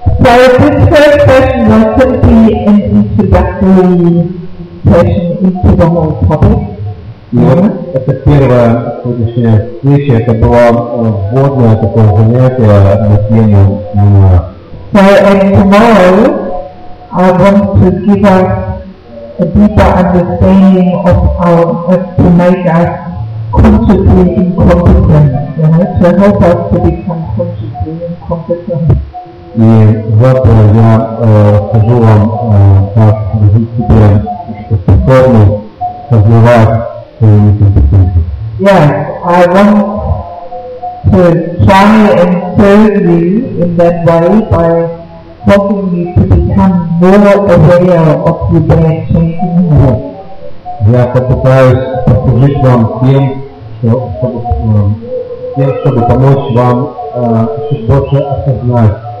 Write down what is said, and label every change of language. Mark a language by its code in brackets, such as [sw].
[en] So this first session was simply an introductory session into the whole topic. [ru] И вот это первая сегодняшняя встреча, это было вводное такое занятие на тему [en] So, and tomorrow, I want to give us a deeper understanding of our to make us consciously incompetent, to help us to become consciously incompetent. [ru] И вот я скажу вам, как развить себе способность развивать свою некомпетентность. [en] Yes, I want to try and serve you in that way by helping you to become more aware of your bad thinking. [ru] Я попытаюсь послужить вам тем, чтобы помочь вам чуть больше осознать.